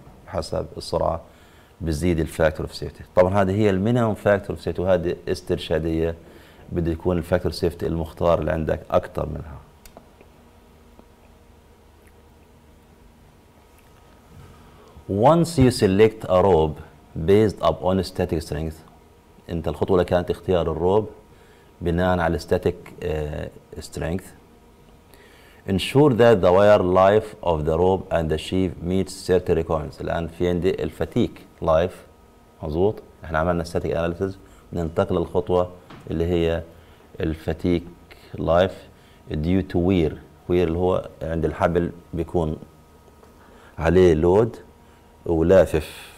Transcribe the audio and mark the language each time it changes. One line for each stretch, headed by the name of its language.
Arabic: حسب السرعة بزيد الفاكتور في سيفتي. طبعا هذه هي المينيمم فاكتور في سيفتي وهذه استرشادية. بده يكون الفاكتور سيفتي المختار اللي عندك اكتر منها.
English: Once you select a rope based upon static strength.
Arabic: انت الخطوة كانت اختيار الروب بناء على static strength.
English: Ensure that the wire life of the rope and the sheave meets certain requirements.
Arabic: الآن في عندي الفتيك life مظبوط. احنا عملنا static analysis. ننتقل للخطوة اللي هي الفتيك life due to wear. wear اللي هو عند الحبل بيكون عليه load ولافف.